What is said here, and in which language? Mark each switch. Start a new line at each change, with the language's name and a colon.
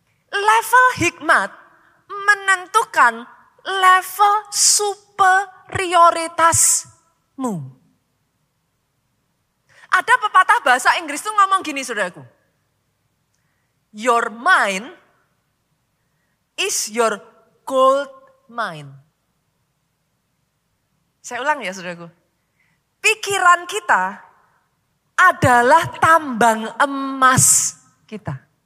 Indonesian: Level hikmat menentukan level superioritasmu. Ada pepatah bahasa Inggris tuh ngomong gini saudaraku.
English: Your mind is your gold mine.
Indonesian: Saya ulang ya saudaraku. Pikiran kita adalah tambang emas kita.